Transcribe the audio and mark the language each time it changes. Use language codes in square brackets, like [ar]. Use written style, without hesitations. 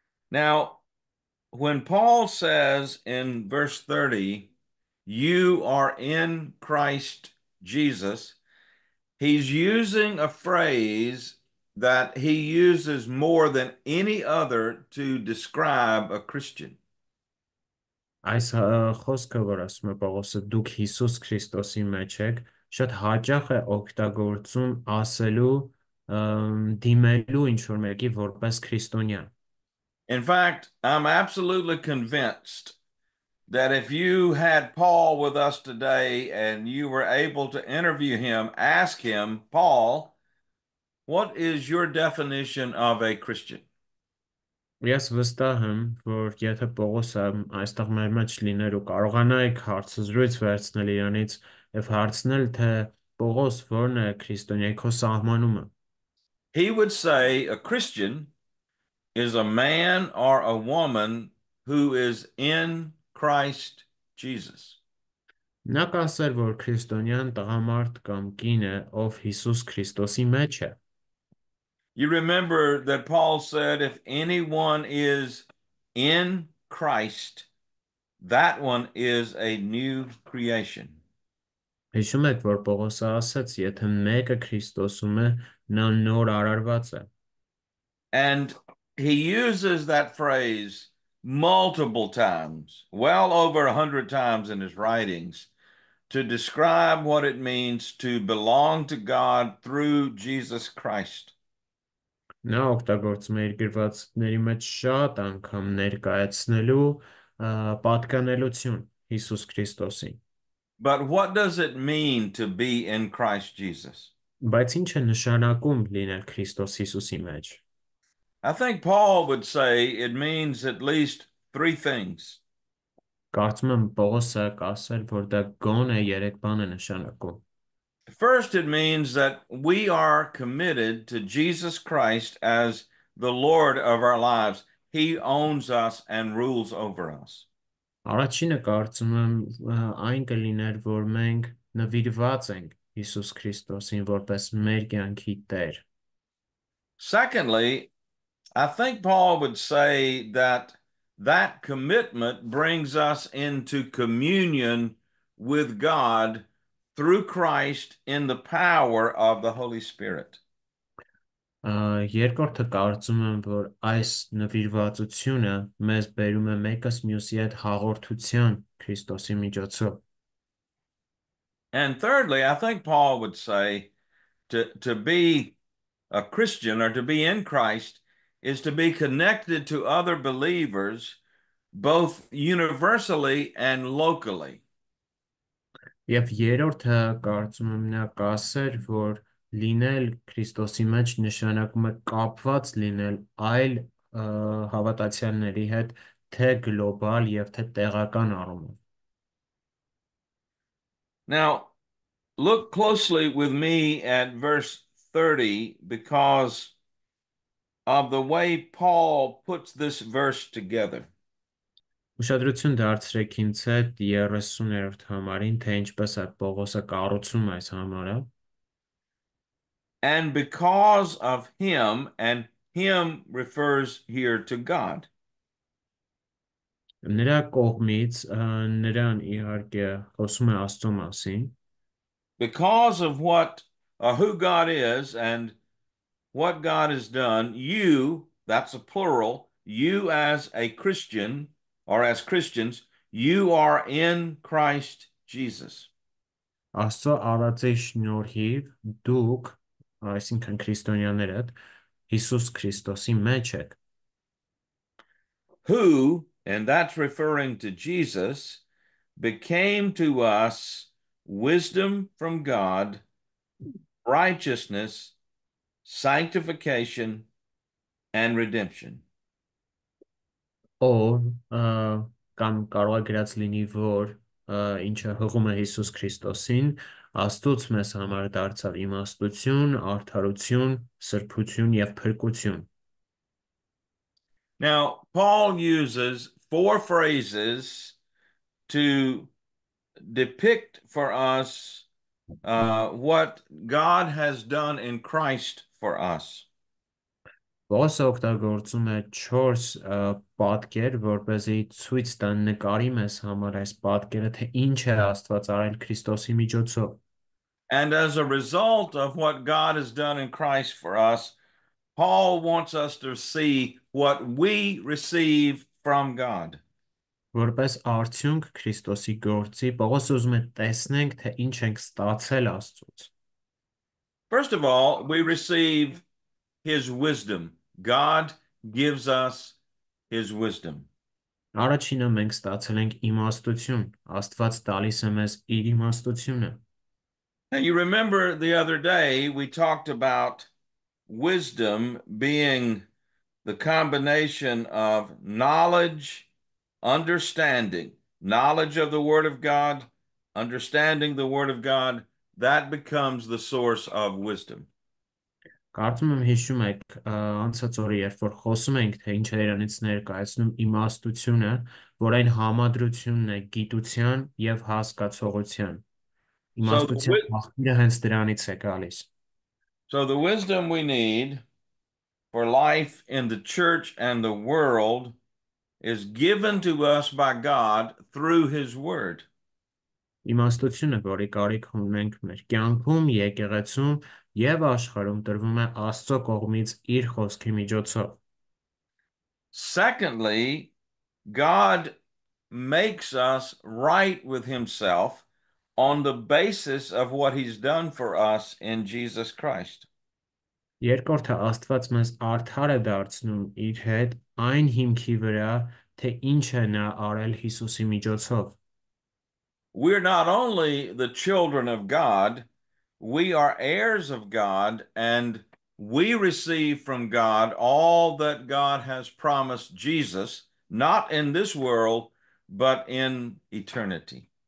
[en] Now, when Paul says in verse 30, you are in Christ Jesus, he's using a phrase that he uses more than any other to describe a Christian. [hy] Այս խոսքը, որ ասում է Պողոսը, դուք Հիսուս Քրիստոսի մեջ եք, շատ հաճախ է օգտագործում ասելու դիմելու ինչ-որ մեկի որպես քրիստոնյա. [en] In fact, I'm absolutely convinced that if you had Paul with us today and you were able to interview him, ask him, Paul, what is your definition of a Christian? [hy] Ես վստահ եմ, որ եթե Պողոսը այստեղ մեր մեջ լիներ ու կարողանայիք հարցազրույց վերցնել իրենից եւ հարցնել, թե Պողոս ո՞րն է քրիստոնյայի քո սահմանումը. [en] He would say a Christian is a man or a woman who is in Christ Jesus. [hy] Նա կասեր, որ քրիստոնյան տղամարդ կամ կին է, ով Հիսուս Քրիստոսի մեջ է. [en] You remember that Paul said, if anyone is in Christ, that one is a new creation. [hy] Հիշում եք, որ Պողոսը ասաց, եթե մեկը Քրիստոսում է, նա նոր արարված է. [en] And he uses that phrase multiple times, well over 100 times in his writings, to describe what it means to belong to God through Jesus Christ. [hy] Նա օգտագործում է իր գրվածքների մեջ շատ անգամ ներկայացնելու պատկանելություն Հիսուս Քրիստոսին. [en] But what does it mean to be in Christ Jesus? [hy] Բայց ինչ է նշանակում լինել Քրիստոս Հիսուսի մեջ? [en] I think Paul would say it means at least three things. [hy] Կարծում եմ Պողոսը կասեր, որ դա գոնե երեք բան է նշանակում. [en] First, it means that we are committed to Jesus Christ as the Lord of our lives. He owns us and rules over us. [hy] Առաջինը կարծում եմ այն կլիներ, որ մենք նվիրված ենք Հիսուս Քրիստոսին որպես մեր կյանքի Տեր. [en] Secondly, I think Paul would say that that commitment brings us into communion with God through Christ in the power of the Holy Spirit. [hy] Երկրորդը կարծում եմ, որ այս նվիրվածությունը մեզ բերում է մեկս մյուսի հետ հաղորդության Քրիստոսի միջոցով. [en] And thirdly, I think Paul would say to be a Christian or to be in Christ is to be connected to other believers, both universally and locally. [hy] Եվ երրորդը կարծում եմ նա կասեր, որ լինել Քրիստոսի մեջ նշանակում է կապված լինել այլ հավատացյալների հետ, թե գլոբալ եւ թե տեղական առումով. [en] Now, look closely with me at verse 30 because of the way Paul puts this verse together. [hy] Ուշադրություն դարձրեք ինձ հետ 30-րդ համարին, թե ինչպես է Պողոսը կառուցում այս համարը. [en] And because of him, and him refers here to God. [hy] Նրա կողմից նրան իհարկե խոսում է Աստծո մասին. [en] Because of what who God is and what God has done, you, that's a plural, you as a Christian or as Christians, you are in Christ Jesus. [hy] Աստծո առածի շնորհիվ դուք, այսինքն քրիստոնյաներդ, Հիսուս Քրիստոսի մեջ եք. [en] Who, and that's referring to Jesus, became to us wisdom from God, righteousness, sanctification, and redemption. [hy] Or, կամ կարող է գրած լինի, որ ինչը հղում է Հիսուս Քրիստոսին, Աստուծո մեզ համար դարձավ իմաստություն, արդարություն, սրբություն եւ փրկություն. [en] Now, Paul uses four phrases to depict for us what God has done in Christ for us. [hy] Ոս օգտագործում է 4 պատկեր, որպեսզի ցույց տա նկարի մեզ համար այս պատկերը, թե ինչ է Աստված արել Քրիստոսի միջոցով. [en] And as a result of what God has done in Christ for us, Paul wants us to see what we receive from God. [hy] Որպես արդյունք Քրիստոսի գործի, Պողոս ուզում է տեսնենք, թե ինչ ենք ստացել Աստծուց. [en] First of all, we receive his wisdom. God gives us his wisdom. [hy] Առաջինը մենք ստացել ենք իմաստություն. Աստված տալիս է մեզ իր իմաստությունը. [en] Now you remember the other day we talked about wisdom being the combination of knowledge, understanding, knowledge of the Word of God, understanding the Word of God, that becomes the source of wisdom. [hy] Կարծում եմ հիշում եք անցած օրը, երբ որ խոսում ենք, թե ինչ է իրենից ներկայացնում իմաստությունը, որ այն համադրությունն է գիտության եւ հասկացողության։ Իմաստության աղբյուրը հենց դրանից է գալիս։ [en] So the wisdom we need for life in the church and the world is given to us by God through his word. [hy] Իմաստությունը, որի կարիք ունենք մեր կյանքում, եկեղեցում եւ աշխարհում, տրվում է Աստծո կողմից իր խոսքի միջոցով։ [en] Secondly, God makes us right with himself on the basis of what he's done for us in Jesus Christ. [hy] Երկրորդը, Աստված մեզ արդար է դարձնում իր հետ այն հիմքի վրա, թե ինչ է նա արել Հիսուսի միջոցով։ [en] We're not only the children of God, we are heirs of God, and we receive from God all that God has promised Jesus, not in this world, but in eternity.